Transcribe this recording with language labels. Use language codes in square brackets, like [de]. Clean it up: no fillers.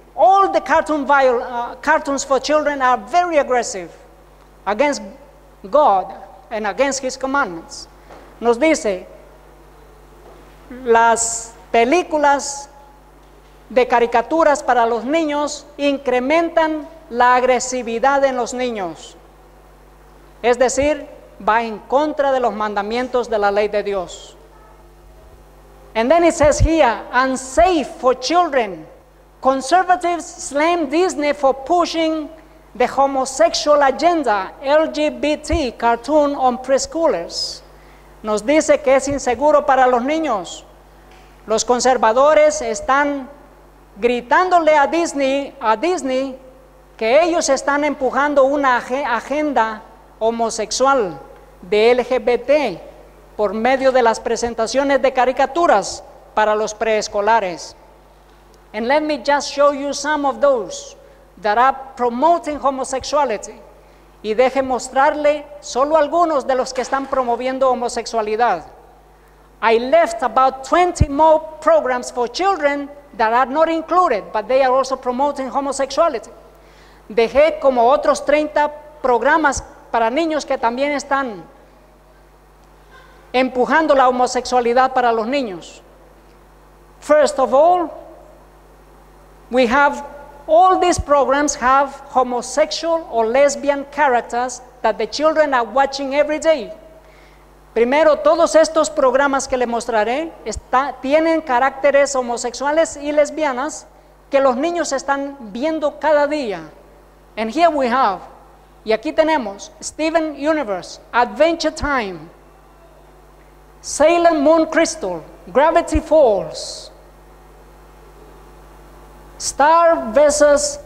[en] All the cartoons for children are very aggressive against God and against His commandments. [es] Nos dice, las películas de caricaturas para los niños incrementan la agresividad en los niños. Es decir, va en contra de los mandamientos de la ley de Dios. [en] And then it says here, unsafe for children. Conservatives slam Disney for pushing the homosexual agenda, LGBT cartoon on preschoolers. [es] Nos dice que es inseguro para los niños. Los conservadores están gritándole a Disney que ellos están empujando una agenda homosexual de LGBT por medio de las presentaciones de caricaturas para los preescolares. [en] And let me just show you some of those that are promoting homosexuality. [es] Y deje mostrarle solo algunos de los que están promoviendo homosexualidad. [en] I left about 20 more programs for children that are not included, but they are also promoting homosexuality. [es] Dejé como otros 30 programas para niños que también están empujando la homosexualidad para los niños. [en] First of all, we have all these programs have homosexual or lesbian characters that the children are watching every day. [es] Primero, todos estos programas que le mostraré tienen caracteres homosexuales y lesbianas que los niños están viendo cada día. [en] And here we have, [es] y aquí tenemos, [en] Steven Universe, Adventure Time, Sailor Moon Crystal, Gravity Falls, Star vs.